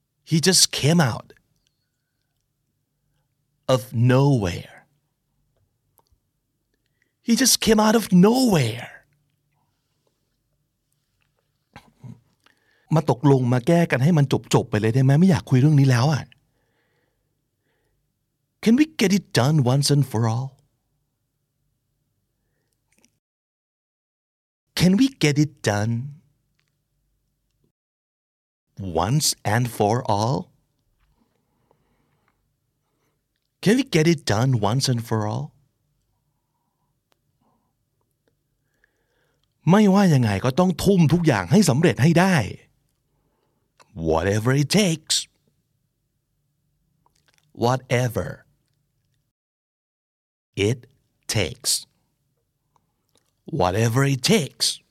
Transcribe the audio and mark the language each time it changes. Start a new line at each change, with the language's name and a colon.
English: He just came out of nowhere. He just came out of nowhere.
Thai: มาตกลงมาแก้กันให้มันจบๆไปเลยได้ไหมไม่อยากคุยเรื่องนี้แล้วอ่ะ
English: Can we get it done once and for all? Can we get it done once and for all? Can we get it done once and for all?
Thai: ไม่ว่ายังไงก็ต้องทุ่มทุกอย่างให้สำเร็จให้ได้
English: Whatever it takes Whatever it takes Whatever it takes